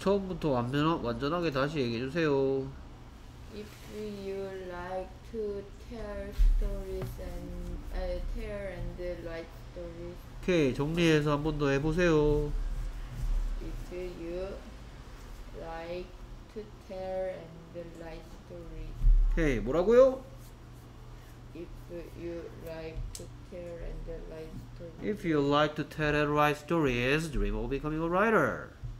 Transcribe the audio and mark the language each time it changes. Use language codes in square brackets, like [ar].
[ko] 처음부터 완전하게 다시 얘기해 주세요. [en] If you like to tell stories and tell and write stories. [ko] 오케이, 정리해서 한번더 해보세요. [en] If you like to tell and write stories. [ko] 오케이, 뭐라고요? [en] If you like to tell and write stories? If you like to tell and write stories, dream of becoming a writer.